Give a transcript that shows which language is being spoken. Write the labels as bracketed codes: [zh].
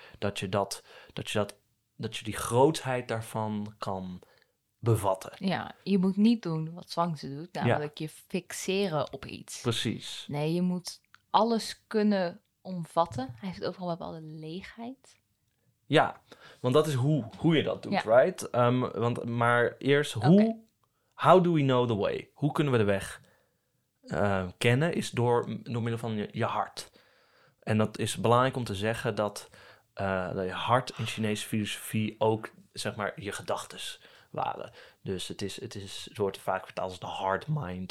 [nl] Dat je die grootheid daarvan kan... bevatten. Ja, je moet niet doen wat Zhuangzi doet, namelijk je fixeren op iets. Precies. Nee, je moet alles kunnen omvatten. Hij heeft overal een bepaalde leegheid. Ja, want dat is hoe je dat doet, ja. right? Maar eerst, [en] how do we know the way? [nl] Hoe kunnen we de weg kennen? Is door middel van je hart. En dat is belangrijk om te zeggen dat je hart in Chinese filosofie ook zeg maar, je gedachtes waren. Dus het wordt vaak vertaald als de hard mind.